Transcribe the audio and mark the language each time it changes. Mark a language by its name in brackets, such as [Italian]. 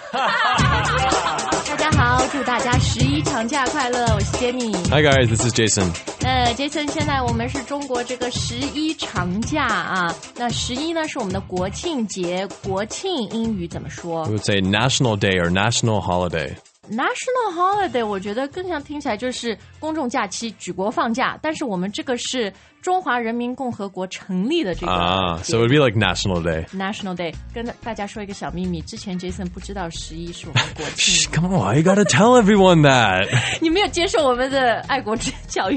[Chinese] 大家好，祝大家十一长假快乐！我是 Jenny。 [English] Hi guys, this is Jason. [Chinese] Jason， 现在我们是中国这个十一长假啊。那十一呢是我们的国庆节，国庆英语怎么说 [English] ？We would say National Day or National Holiday. [Chinese] National holiday，我觉得更像听起来就是公众假期，举国放假。但是我们这个是中华人民共和国成立的这个 [English] 啊、，so it would be like National Day。 [Chinese] National Day，跟大家说一个小秘密，之前 Jason 不知道十一是我们国庆。 [English] Come on， you gotta tell everyone that 。 [Chinese] 你没有接受我们的爱国教育。